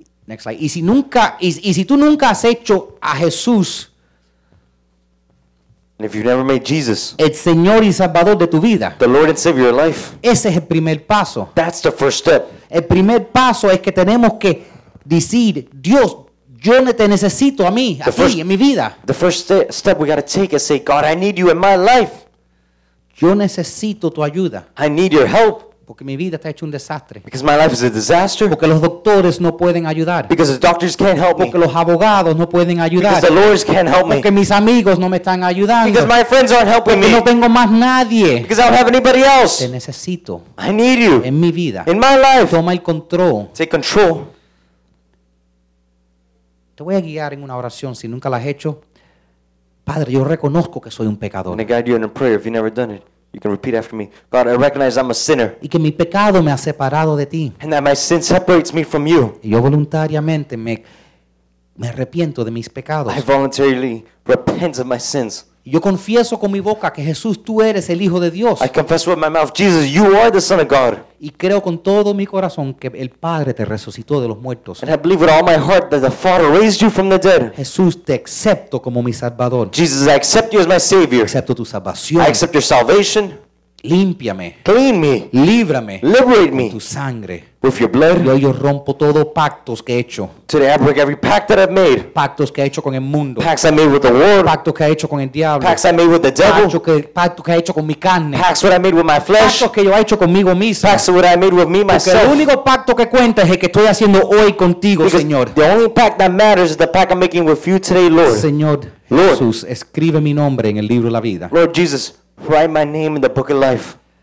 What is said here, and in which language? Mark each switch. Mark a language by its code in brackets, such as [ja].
[en] Next slide. [es] Y si tú nunca has hecho a Jesús, [en] and if you've never made Jesus [es] el Señor y Salvador de tu vida, [en] the Lord and Savior of your life, [es] ese es el primer paso. [en] That's the first step. [es] El primer paso es que tenemos que decir, Dios, yo te necesito a mí, a ti, en mi vida. [en] The first step we got to take is say, God, I need you in my life. [es] Yo necesito tu ayuda. [en] I need your help. [es] Porque mi vida está hecho un desastre. [en] Because my life is a disaster. [es] Porque los doctores no pueden ayudar. [en] Because the doctors can't help me. [es] Porque los abogados no pueden ayudar. [en] Because the lawyers can't help me. [es] Porque mis amigos no me están ayudando. [en] Because my friends aren't helping [es] porque [en] me. [es] Porque no tengo más nadie. [en] Because I don't have anybody else. [es] Te necesito. [en] I need you. [es] En mi vida. [en] In my life. [es] Toma el control. [en] Take control. [es] Te voy a guiar en una oración si nunca la has hecho. Padre, yo reconozco que soy un pecador. [en] I'm going to guide you in a prayer if you've never done it. You can repeat after me. God, I recognize I'm a sinner. [es] Y que mi pecado me ha separado de ti. [en] And that my sin separates me from you. [es] Y yo voluntariamente me arrepiento de mis pecados. [en] I voluntarily repent of my sins. [es] Y yo confieso con mi boca que Jesús, tú eres el Hijo de Dios. [en] I confess with my mouth, Jesus, you are the Son of God. [es] Y creo con todo mi corazón que el Padre te resucitó de los muertos. [en] And I believe with all my heart that the Father raised you from the dead. [es] Jesús, te acepto como mi Salvador. [en] Jesus, I accept you as my Savior. [es] Acepto tu salvación. [en] I accept your salvation. [es] Límpiame. [en] Clean me. [es] Líbrame. [en] Liberate me. [es] Con tu sangre. [en] With your blood. [es] Y hoy yo rompo todos pactos que he hecho. [en] Today I break every pact that I've made. [es] Pactos que he hecho con el mundo. [en] Pacts I made with the world. [es] Pactos que he hecho con el diablo. [en] Pacts I made with the devil. [es] Pactos que he hecho con mi carne. [en] Pacts what I made with my flesh. [es] Pactos que yo he hecho conmigo mismo. [en] Pacts what I made with me myself. [es] Porque el único pacto que cuenta es el que estoy haciendo hoy contigo, [en] because [es] Señor. [en] The only pact that matters is the pact I'm making with you today, Lord. [es] Señor, [en] Lord. [es] Jesús, escribe mi nombre en el libro de la vida. [en] Lord Jesus, write my name in the book of life.